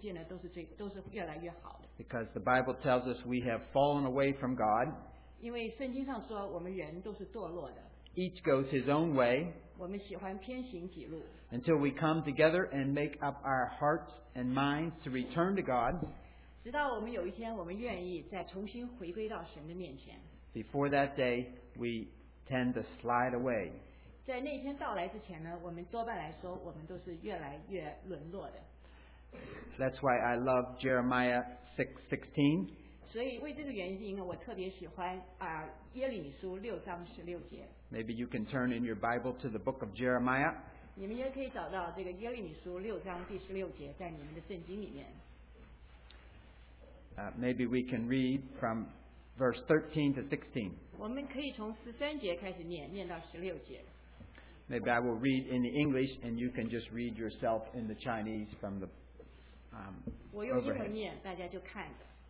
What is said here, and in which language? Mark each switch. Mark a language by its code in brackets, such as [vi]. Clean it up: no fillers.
[zh] 事实上呢，新的东西在伦理、在道德方面来说，并不见得都是越来越好的。 [en] Because the Bible tells us we have fallen away from God. [zh] 因为圣经上说，我们人都是堕落的。 [en] Each goes his own way. [zh] 我们喜欢偏行己路。 [en] Until we come together and make up our hearts and minds to return to God. [zh] 直到我们有一天，我们愿意再重新回归到神的面前。 [en] Before that day, we tend to slide away. [zh] 在那天到来之前呢，我们多半来说，我们都是越来越沦落的。 [en] That's why I love Jeremiah 6:16. [zh] 所以为这个原因呢，我特别喜欢耶利米书6:16. [en] Maybe you can turn in your Bible to the book of Jeremiah. [zh] 你们也可以找到这个耶利米书6:16，在你们的圣经里面。 [en] Maybe we can read from verse 13 to 16. Maybe I will read in the English and you can just read yourself in the Chinese from the [zh] 我用一横念，大家就看着。